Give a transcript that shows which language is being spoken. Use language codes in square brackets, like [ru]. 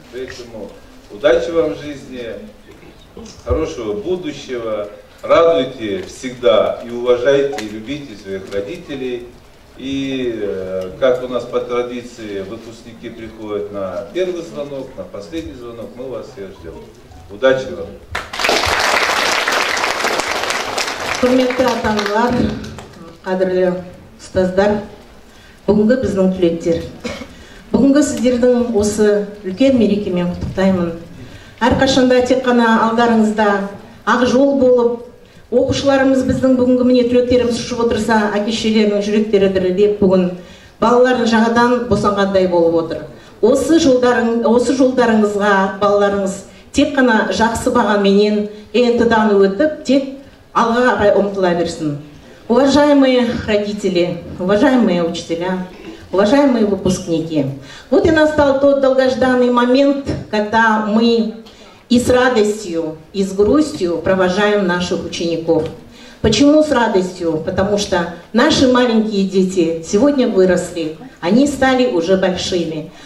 [ru] Поэтому удачи вам в жизни, хорошего будущего. Радуйте всегда и уважайте, и любите своих родителей. И как у нас по традиции, выпускники приходят на первый звонок, на последний звонок, мы вас всех ждем. Удачи вам! [kk] Құрметті ата-аналар, қадірлі ұстаздар, бүгінгі біздің түлектер. Бүгінгі сіздердің осы үлкен мерекемен құттықтаймын. Әрқашанда тек қана алдарыңызда ақ жол болып, оқушыларымыз біздің бүгінгі міне түлектеріміз ұшып отырса, әке-шешелерінің жүректері дірілдеп бүгін балаларын жағадан босанғандай болып отыр. Осы жолдарыңызға балаларыңыз тек қана жақсы бағаменен ЕНТ-дан өтіп, тек алға қарай ұмтыла берсін. [ru] Уважаемые родители, уважаемые учителя, уважаемые выпускники, вот и настал тот долгожданный момент, когда мы и с радостью, и с грустью провожаем наших учеников. Почему с радостью? Потому что наши маленькие дети сегодня выросли, они стали уже большими.